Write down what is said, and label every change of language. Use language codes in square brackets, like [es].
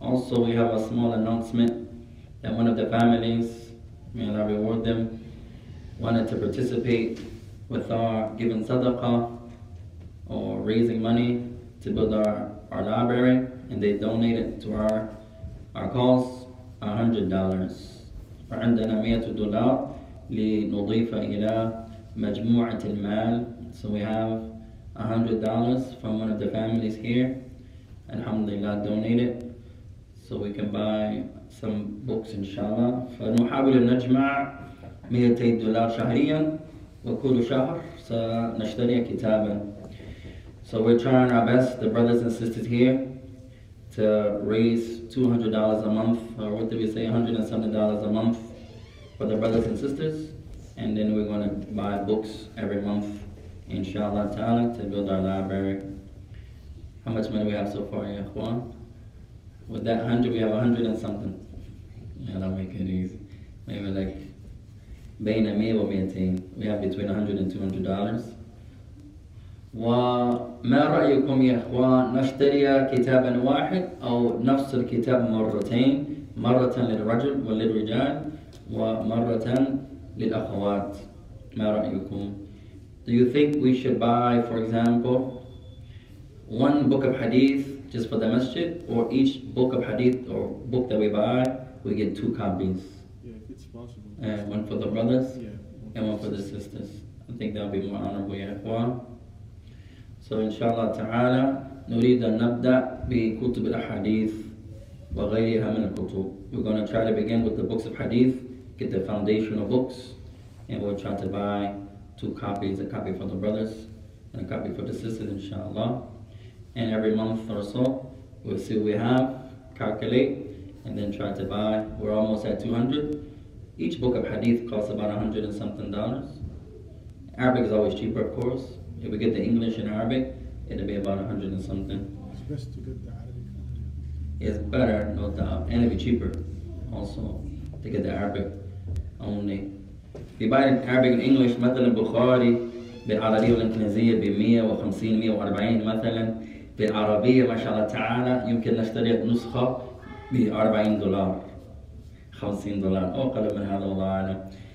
[en] Also, we have a small announcement that one of the families, may Allah reward them, wanted to participate with our giving sadaqah or raising money to build our library, and they donated to our cause $100. [ar] وعندنا 100 دولار لنضيف إلى مجموعة المال. [en] So we have $100 from one of the families here, alhamdulillah, donated, so we can buy some books, inshallah. [ar] فنحاول أن نجمع 200 دولار شهرياً وكل شهر سنشتري كتاباً. [en] So we're trying our best, the brothers and sisters here, to raise $200 a month, or what did we say, $170 a month for the brothers and sisters. And then we're going to buy books every month, inshallah ta'ala, to build our library. How much money we have so far, ya Juan? With that 100, we have 100 and something. Yeah, that'll make it easy. Maybe like, [ar] بين مية ومئتين. [en] We have between $100 and $200. [ar] وما رأيكم يا إخوان نشتري كتابا واحد أو نفس الكتاب مرتين, مرة للرجل وللرجال ومرة للأخوات. ما رأيكم? [en] Do you think we should buy, for example, one book of hadith just for the masjid, or each book of hadith or book that we buy, we get two copies? Yeah, it's possible. And one for the brothers, yeah, and one for the sisters. I think that would be more honorable, ya Ikhwan. So inshallah ta'ala, [ar] نريد أن نبدأ بكتب الحديث وغيرها من الكتب. [en] We're going to try to begin with the books of hadith, get the foundational books, and we'll try to buy two copies, a copy for the brothers and a copy for the sisters, inshallah. And every month or so, we'll see what we have, calculate, and then try to buy. We're almost at 200. Each book of hadith costs about 100 and something dollars. Arabic is always cheaper, of course. If we get the English and Arabic, it'll be about 100 and something. It's best to get the Arabic. It's better, no doubt. And it'll be cheaper also to get the Arabic only. If you buy it in Arabic and English, [ar] مثلا بخاري بالعربية والإنكليزية بمية وخمسين مية وأربعين مثلا, في العربية ما شاء الله تعالى يمكن نشتري نسخة ب $40, [en] $50. [ar] Oh, قال من هذا والله أعلم.